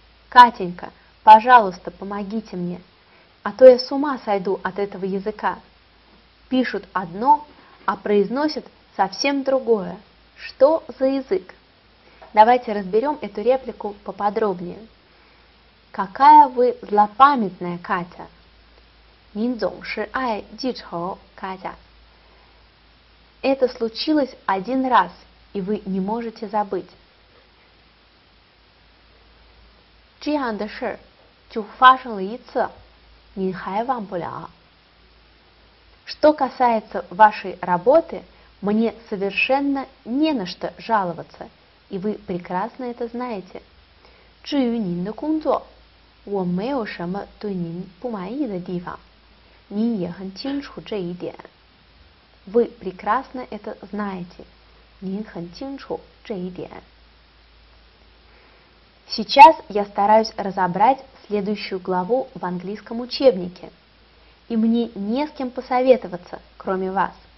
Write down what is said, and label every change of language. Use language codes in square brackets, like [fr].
[ru] Катенька, пожалуйста, помогите мне. А то я с ума сойду от этого языка. Пишут одно, а произносят совсем другое. Что за язык? Давайте разберем эту реплику поподробнее. Какая вы злопамятная, Катя. [zh] 您总是爱记仇, Катя. [ru] Это случилось один раз, и вы не можете забыть. [zh] 这样的事就发生了一次. 你还忘不了. [ru] Что касается вашей работы, мне совершенно не на что жаловаться, и вы прекрасно это знаете. [zh] 至于您的工作, 我没有什么对您不满意的地方. 您也很清楚这一点. [ru] Вы прекрасно это знаете. [zh] 您很清楚这一点. [ru] Сейчас я стараюсь разобрать следующую главу в английском учебнике, и мне не с кем посоветоваться, кроме вас.